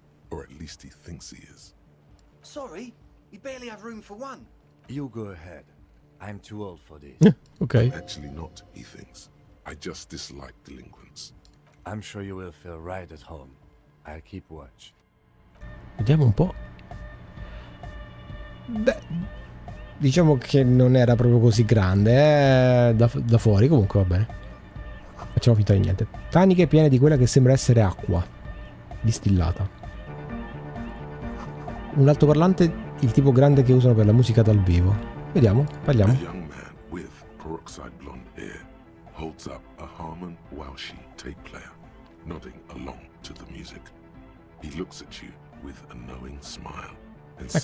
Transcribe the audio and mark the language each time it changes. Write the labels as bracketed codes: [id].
[en] Or at least he thinks he is. Sorry, you barely have room for one. You go ahead. I'm too old for Ok. this. Actually not, he thinks. I just dislike delinquents. I'm sure you will feel right at home. I'll keep watch. [it] Vediamo un po'. Beh, diciamo che non era proprio così grande, da fuori, comunque va bene. Facciamo finta di niente. Taniche piene di quella che sembra essere acqua distillata. Un altoparlante, il tipo grande che usano per la musica dal vivo. Vediamo, [en] A [it] parliamo. [en] young man with peroxide blonde hair holds up a Harman Walshi tape player, nodding along to the music. He looks at you with a knowing smile and says,